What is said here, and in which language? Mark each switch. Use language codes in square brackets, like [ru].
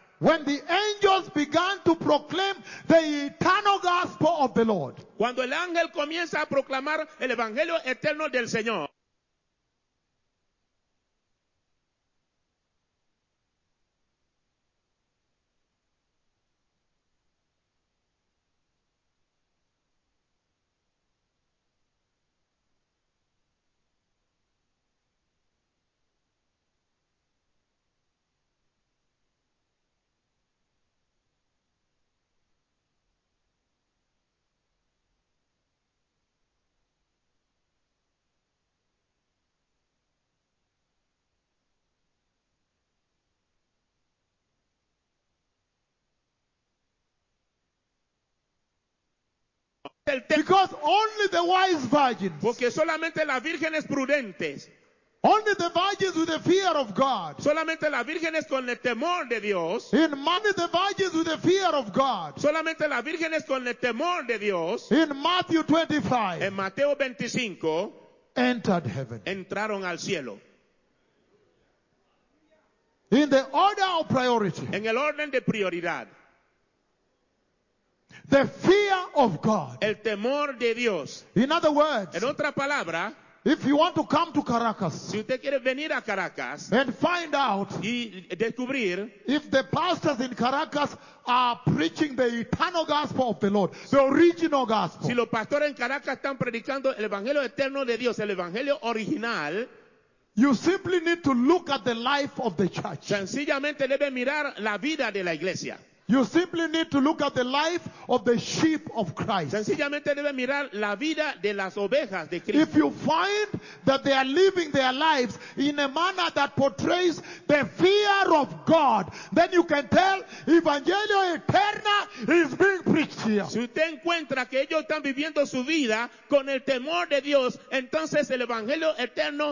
[en] when the angels began to proclaim the eternal gospel of the Lord, [es] cuando el ángel comienza a proclamar el evangelio eterno del Señor, [en] because only the wise virgins, [es] porque solamente las vírgenes prudentes, [en] only the virgins with the fear of God, [es] solamente las vírgenes con el temor de Dios, [en] in Matthew the virgins with the fear of God, [es] solamente las vírgenes con el temor de Dios, [en] in Matthew 25, [es] en Mateo 25, [en] entered heaven, [es] entraron al cielo, [en] in the order of priority, [es] en el orden de prioridad. [en] The fear of God. [es] El temor de Dios. [en] In other words, [es] en otra palabra, [en] If you want to come to Caracas, [es] si usted quiere venir a Caracas [en] and find out [es] y descubrir [en] if the pastors in Caracas are preaching the eternal gospel of the Lord, the original gospel. [es] Si los pastores en Caracas están predicando el evangelio eterno de Dios, el evangelio original, [en] you simply need to look at the life of the church. [es] Sencillamente debe mirar la vida de la iglesia. [en] You simply need to look at the life of the sheep of Christ. [es] Sencillamente debe mirar la vida de las ovejas de Cristo. [en] If you find that they are living their lives in a manner that portrays the fear of God, then you can tell Evangelio Eterna is being preached here. [es] Si usted encuentra que ellos están viviendo su vida con el temor de Dios, entonces el Evangelio Eterno,